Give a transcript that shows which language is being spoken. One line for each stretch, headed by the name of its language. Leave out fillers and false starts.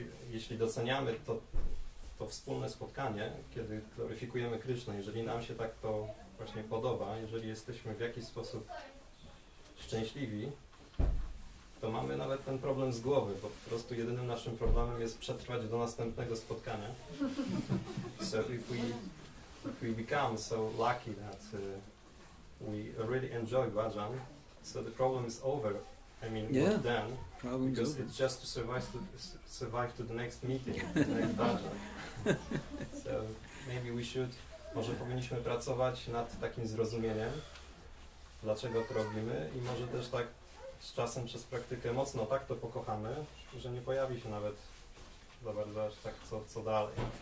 Polish: Jeśli doceniamy to wspólne spotkanie, kiedy gloryfikujemy Krishnę, jeżeli nam się tak to właśnie podoba, jeżeli jesteśmy w jakiś sposób szczęśliwi, to mamy nawet ten problem z głowy, bo po prostu jedynym naszym problemem jest przetrwać do następnego spotkania.
English: So if we become so lucky that we really enjoy bhajan, so the problem is over. I mean, yeah, what then? Problem's because over. It's just to survive to the next meeting, the next bhajan. So maybe we should,
Polish: może powinniśmy pracować nad takim zrozumieniem, dlaczego to robimy, i może też tak z czasem przez praktykę mocno tak to pokochamy, że nie pojawi się nawet za bardzo aż tak co dalej.